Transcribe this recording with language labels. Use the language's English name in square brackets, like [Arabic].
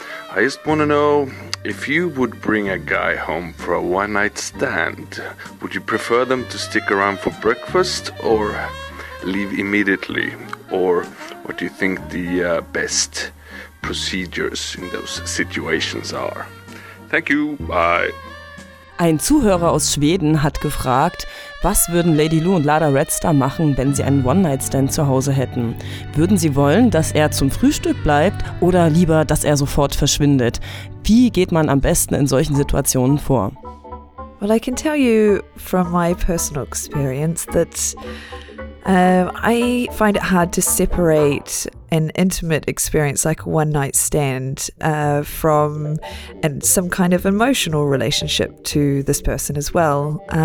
[English] I just want to know, if you would bring a guy home for a one-night stand, would you prefer them to stick around for breakfast or leave immediately? Or what do you think the best procedures in those situations are? Thank you, bye. [German] Ein Zuhörer aus Schweden hat gefragt, was würden Lady Lou und Lada Redstar machen, wenn sie einen One-Night-Stand zu Hause hätten? Würden sie wollen, dass er zum Frühstück bleibt oder lieber, dass er sofort verschwindet? Wie geht man am besten in solchen Situationen vor? [English] Well, I can tell you from my personal experience that I find it hard to separate an intimate experience like a one-night stand from and some kind of emotional relationship to this person as well.